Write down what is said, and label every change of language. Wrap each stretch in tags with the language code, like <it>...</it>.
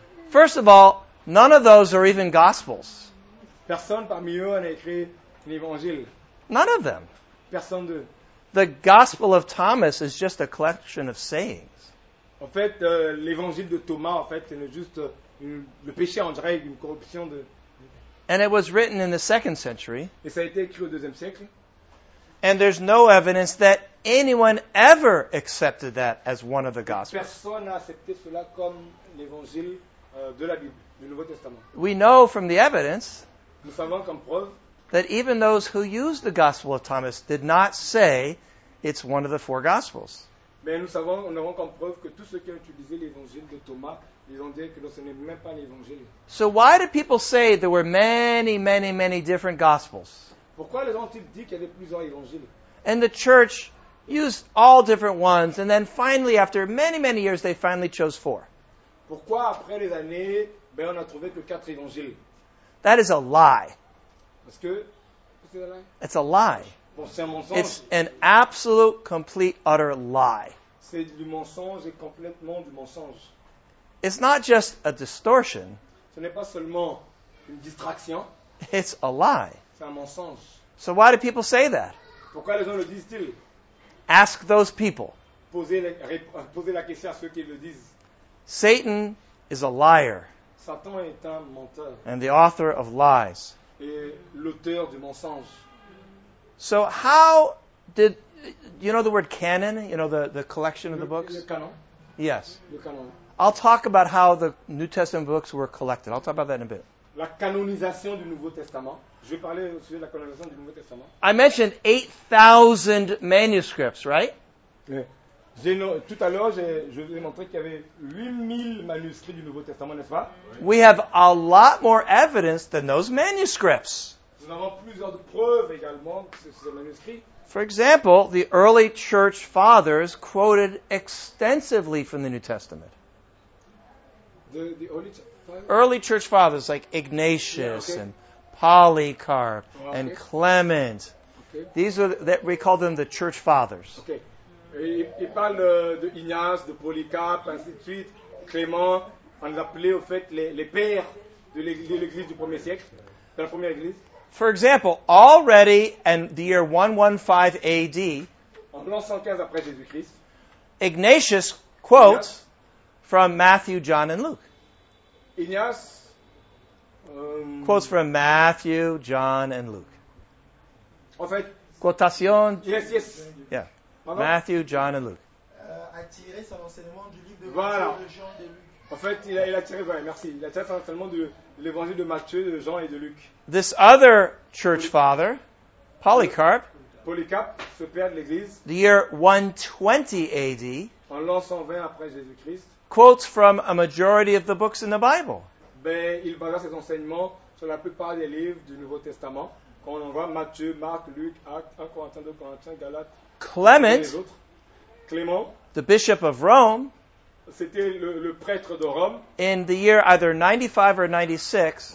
<en>First of all, none of those are even gospels.</en> <fr>Personne parmi eux n'a écrit un évangile.</fr> <en>None of them.</en> <fr>Personne d'eux.</fr> <en>The gospel of Thomas is just a collection of sayings.</en> <fr>En fait, l'évangile de Thomas, en fait, c'est juste le péché, on dirait, une corruption de...</fr> <en>And it was written in the second century.</en> <fr>Et ça a été écrit au deuxième siècle.</fr> <en>And there's no evidence that anyone ever accepted that as one of the gospels.</en> <fr>Personne n'a accepté cela comme l'évangile de la Bible, du Nouveau Testament.</fr> <en>We know from the evidence.</en> <fr>Nous savons comme preuve.</fr> <en>That even those who used the Gospel of Thomas did not say it's one of the four Gospels.</en> <fr>Mais nous savons, nous avons comme preuve que tous ceux qui ont utilisé l'évangile de Thomas, ils ont dit que ce n'est même pas l'évangile.</fr> <en>So why do people say there were many, many, many different Gospels?</en> <fr>Pourquoi les gens disent qu'il y avait plusieurs évangiles?</fr> <en>And the church used all different ones, and then finally, after many, many years, they finally chose four.</en> <fr>Pourquoi après les années, ben on a trouvé que quatre évangiles?</fr> <en>That is a lie.</en> <fr>Parce que,</fr> <en>it's a lie.</en> <fr>Bon, c'est un mensonge.</fr> <en>It's an absolute, complete, utter lie.</en> <fr>C'est du mensonge et complètement du mensonge.</fr> <en>It's not just a distortion.</en> <fr>Ce n'est pas seulement une distraction.</fr> <en>It's a lie.</en> <fr>C'est un mensonge.</fr> <en>So why do people say that?</en> <fr>Pourquoi les gens le disent-ils?</fr> <en>Ask those people.</en> <fr>Posez la question à ceux qui le disent.</fr> <en>Satan is a liar.</en> <fr>Satan est un menteur.</fr> <en>And the author of lies.</en> <fr>Et l'auteur du mensonge.</fr> <en>So how did you know the word canon? You know the collection of the books.</en> <fr>Le canon.</fr> <en>Yes.</en> <fr>Le canon.</fr> <en>I'll talk about how the New Testament books were collected. I'll talk about that in a bit.</en> <fr>La canonisation du Nouveau Testament. Je vais parler au sujet de la canonisation du Nouveau Testament.</fr> <en>I mentioned 8,000 manuscripts, right?</en> <fr>Tout à l'heure, je vous ai montré qu'il y avait 8,000 manuscrits du Nouveau Testament, n'est-ce pas?</fr> <en>We have a lot more evidence than those manuscripts.</en> <fr>Nous avons plusieurs preuves également que ces manuscrits.</fr> <en>For example, the early church fathers quoted extensively from the New Testament. The early church fathers? Early church fathers like Ignatius and Polycarp and Clement. Okay. These are we call them the church fathers. Okay.</en> <fr>Il parle de Ignace, de Polycarpe, ainsi de suite, Clément, on les appelait au fait les pères de l'Église du premier siècle, de la première Église.</fr> <en>For example, already in the year 115 AD,</en> <fr>en l'an 115 après Jésus-Christ,</fr> <en>Ignatius quotes from Matthew, John and Luke.</en> <fr>Ignace</fr> <en>quotes from Matthew, John and Luke.</en> <fr>En fait,</fr> <en>quotation. Yes, yes. Yeah. Matthew, John and Luke.</en> <fr>A tiré son enseignement du livre de Matthieu, de Jean et de Luc. En fait, il a tiré, voilà, merci. Il a tiré son enseignement de l'évangile de Matthieu, de Jean et de Luc.</fr> <en>This other church father, Polycarp.</en> <fr>Polycarp, ce père de l'Église.</fr> <en>The year 120 AD.</en> <fr>En l'an 120 après Jésus-Christ.</fr> <en>Quotes from a majority of the books in the Bible.</en> <fr>Ben, il basa ses enseignements sur la plupart des livres du Nouveau Testament. Quand on voit Matthieu, Marc, Luc, Actes, 1 Corinthiens, 2 Corinthiens, Galates.</fr> <en>Clement, the bishop of Rome,</en> <fr>c'était le prêtre de Rome,</fr> <en>in the year either 95 or 96,</en>